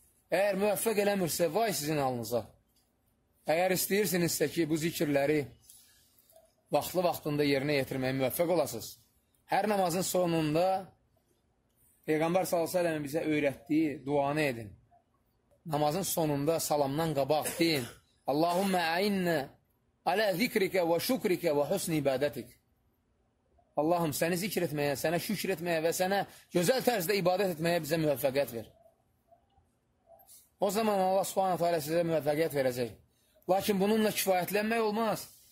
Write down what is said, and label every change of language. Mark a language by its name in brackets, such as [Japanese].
[Azerbaijani] Əgər müvəffəq eləmirsə, vay sizin alınıza. Əgər istəyirsinizsə ki, bu zikirləri vaxtlı-vaxtında yerinə yetirməyə müvəffəq olasınız. Hər namazın sonunda Peyğəmbər sallallahu əleyhi və səlləm bizə öyrətdiyi duanı edin. Namazın sonunda salamdan qabaq deyin. [Arabic] Allahummə əinnə alə zikrikə və şükrikə və husn ibadətik. [Azerbaijani] Allahım, səni zikr etməyə, sənə şükür etməyə və sənə gözəl tərzdə ibadət etməyə bizə müvəffəqiyyət ver. O zaman Allah subhanahu teala sizə müvəffəqiyyət verəcək. Lakin bununla kifayətlənmək olmaz.